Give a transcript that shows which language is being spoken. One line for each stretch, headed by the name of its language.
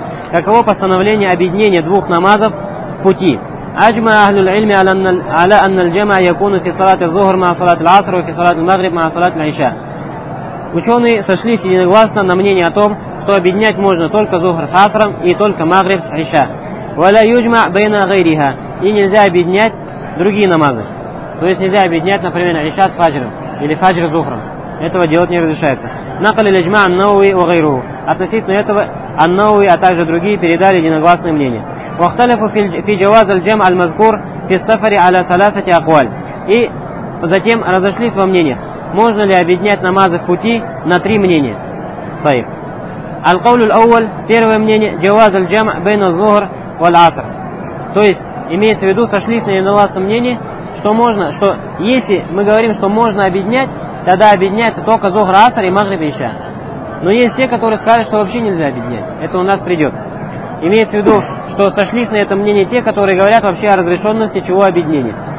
Russian: Каково постановление объединения двух намазов в пути?
Arabic: أجمع أهل العلم على أن الجمع يكون في صلاة الظهر مع صلاة العصر وفي صلاة المغرب مع صلاة العشاء.
Russian: Ученые сошлись единогласно на мнении о том, что объединять можно только зухр с асром и только магриб с иша.
Arabic: ولا يجمع بين غيرها.
Russian: И нельзя объединять другие намазы. То есть нельзя объединять, например, иша с фаджром или фаджр с зухром. Этого делать не разрешается.
Arabic: نقل الإجماع عن النووي وغيره.
Russian: Относительно этого النووي, а также другие передали единогласное мнение.
Arabic: واختلفوا في جواز الجمع المذكور في السفر على ثلاثة أقوال.
Russian: И затем разошлись во мнениях, можно ли объединять намазы в пути на три мнения.
Arabic: طيب. القول الأول,
Russian: первое мнение,
Arabic: جواز الجمع بين الظهر والعصر.
Russian: То есть имеется в виду, сошлись на единогласном мнении, что можно, что если мы говорим, что можно объединять, тогда объединяется только зухр, аср и магриб и иша. Но есть те, которые скажут, что вообще нельзя объединять. Это у нас придет. Имеется в виду, что сошлись на это мнение те, которые говорят вообще о разрешенности чего объединения.